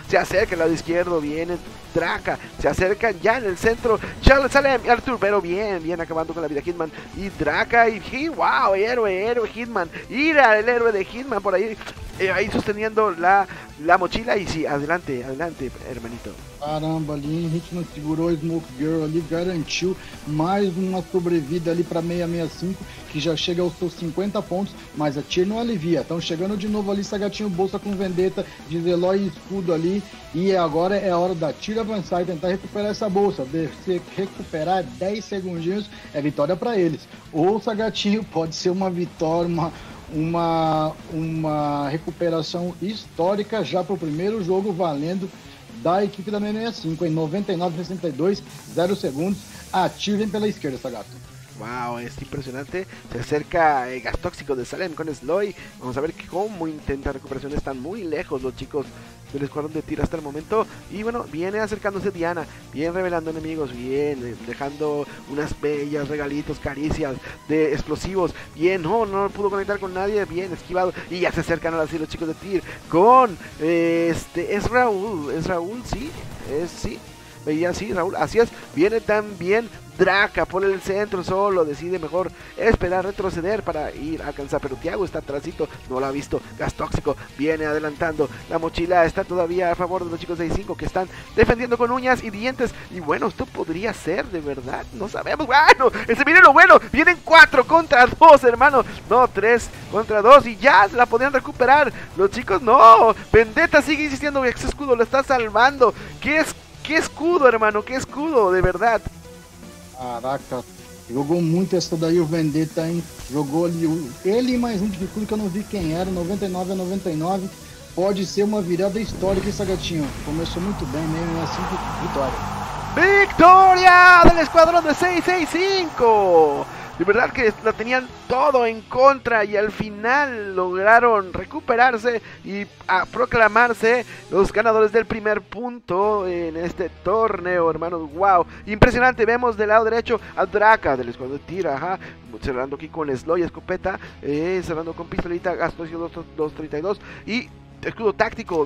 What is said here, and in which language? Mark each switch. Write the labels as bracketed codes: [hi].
[es] Se acerca al lado izquierdo, viene Draca, se acerca ya en el centro Charles Salem y Arthur, pero bien acabando con la vida Hitman y Draca. Y wow, héroe Hitman, ira el héroe de Hitman por ahí, ahí sosteniendo la mochila. Y sí, adelante hermanito. [pt] Caramba, ali, Hitman segurou a Smoke Girl ali, garantiu mais uma sobrevida ali pra 665, que já chega aos seus 50 pontos, mas a Tier não alivia. Estão chegando de novo ali, Sagatinho, bolsa com Vendetta, Dizeloy e escudo ali, e agora é a hora da Tier avançar e tentar recuperar essa bolsa. Se recuperar 10 segundinhos, é vitória pra eles. Ou, Sagatinho, pode ser uma vitória, uma recuperação histórica já pro primeiro jogo, valendo da equipe da 665, em 99-62, 0 segundos, ativem pela esquerda, essa gata. [es] Wow, es impresionante. Se acerca el gas tóxico de Salem con Sloy. Vamos a ver cómo intenta recuperación. Están muy lejos los chicos del escuadrón de Tir hasta el momento. Y bueno, viene acercándose Diana. Bien revelando enemigos. Bien dejando unas bellas regalitos, caricias de explosivos. Bien, no pudo conectar con nadie. Bien esquivado. Y ya se acercan ahora sí los chicos de Tir con es Raúl. Es Raúl, sí. Sí. Veía así, Raúl. Así es. Viene también Draca por el centro, solo decide mejor esperar, retroceder para ir a alcanzar, pero Thiago está atrasito, no lo ha visto. Gas tóxico viene adelantando, la mochila está todavía a favor de los chicos de 65, que están defendiendo con uñas y dientes. Y bueno, esto podría ser de verdad, no sabemos. Bueno, ese viene lo bueno, vienen 4 contra 2, hermano, no, 3 contra 2, y ya la podrían recuperar los chicos. No, Vendetta sigue insistiendo, ex escudo lo está salvando. Qué escudo, hermano, qué escudo, de verdad. [pt] Caraca, jogou muito essa daí, o Vendetta, hein? Jogou ali ele mais um de tudo que eu não vi quem era. 99 a 99. Pode ser uma virada histórica, hein, Sagatinho? Começou muito bem, né? E assim, vitória. Vitória do esquadrão de 665! [es] De verdad que lo tenían todo en contra y al final lograron recuperarse y a proclamarse los ganadores del primer punto en este torneo, hermanos. ¡Wow! Impresionante. Vemos del lado derecho a Draca del escuadrón de Tir, ajá, cerrando aquí con Sloy escopeta, cerrando con pistolita, gasto 232 y escudo táctico.